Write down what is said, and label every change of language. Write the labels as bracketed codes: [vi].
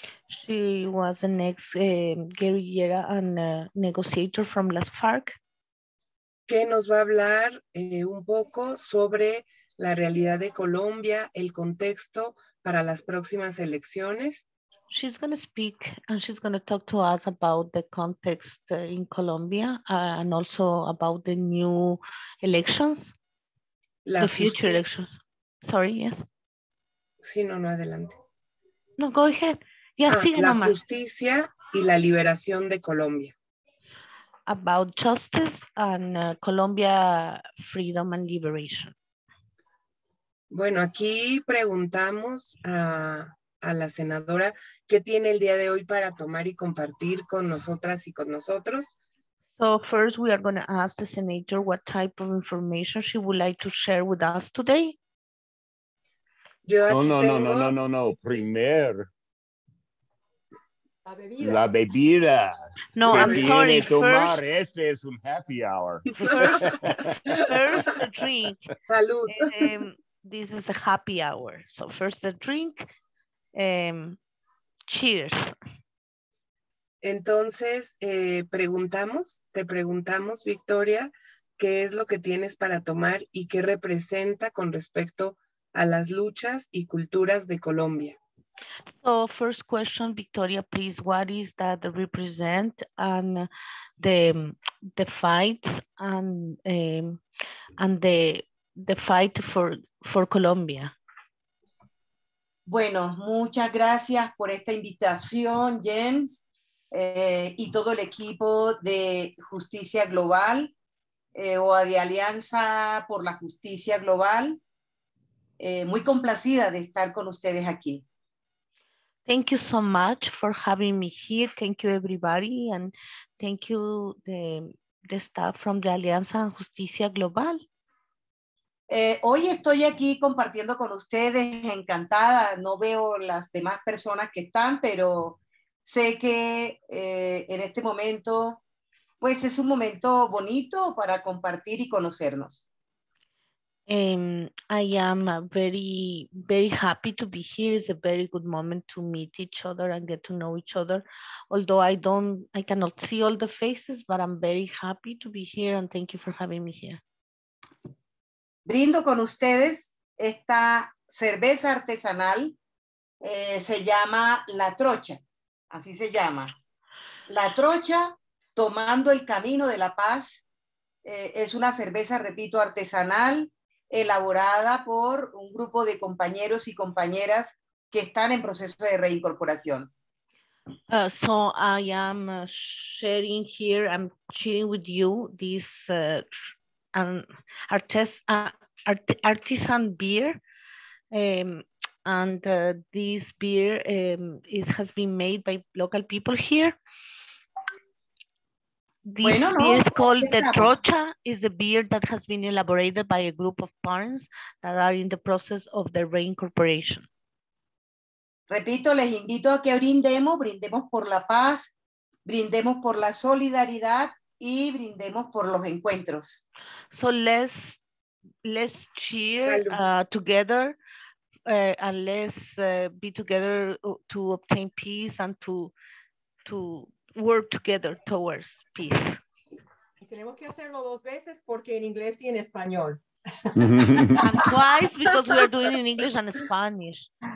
[en] She was an ex guerrillera and negotiator from las FARC. [es] Que nos va a hablar un poco sobre la realidad de Colombia, el contexto para las próximas elecciones. [en] She's going to speak and she's going to talk to us about the context in Colombia and also about the new elections, [es] la [en] the future Elections. Sorry, yes. [es] Sí, no, no, adelante. [en] No, go ahead. Yeah, [es] sigue la nomás. Justicia y la liberación de Colombia. [en] About justice and Colombia freedom and liberation. [es] Bueno, aquí preguntamos a la senadora qué tiene el día de hoy para tomar y compartir con nosotras y con nosotros. [en] So first we are going to ask the senator what type of information she would like to share with us today. [es] Yo aquí No. Primer. La bebida. [en] No, I'm sorry. [es] Tomar. Este es un happy hour. [en] First the drink. [es] Salud. [en] This is a happy hour. So first the drink. Cheers. [es] Entonces, te preguntamos, Victoria, ¿qué es lo que tienes para tomar y qué representa con respecto a las luchas y culturas de Colombia? [en] So first question, Victoria, please, what is that represent and the fights and the fight for Colombia? [es] Bueno, muchas gracias por esta invitación, James, y todo el equipo de Justicia Global o de Alianza por la Justicia Global. Muy complacida de estar con ustedes aquí. [en] Thank you so much for having me here. Thank you, everybody. And thank you, the staff from the Alianza en Justicia Global. [es] Hoy estoy aquí compartiendo con ustedes, encantada. No veo las demás personas que están, pero sé que en este momento, pues es un momento bonito para compartir y conocernos. [en] I am very, very happy to be here. It's a very good moment to meet each other and get to know each other. Although I cannot see all the faces, but I'm very happy to be here and thank you for having me here. [es] Brindo con ustedes esta cerveza artesanal, se llama La Trocha, así se llama. La Trocha, tomando el camino de la paz, es una cerveza, repito, artesanal, elaborada por un grupo de compañeros y compañeras que están en proceso de reincorporación. [en] So I am sharing here, I'm sharing with you this artisan beer, and this beer has been made by local people here. This [es] bueno, no, [en] beer is called the Trocha, is the beer that has been elaborated by a group of parents that are in the process of the reincorporation. [es] Repito, les invito a que brindemos por la paz, brindemos por la solidaridad y brindemos por los encuentros. [en] So let's cheer together and let's be together to obtain peace and to work together towards peace. [es] Tenemos que hacerlo dos veces porque en inglés y en español. [en] And twice because we're doing in English and Spanish.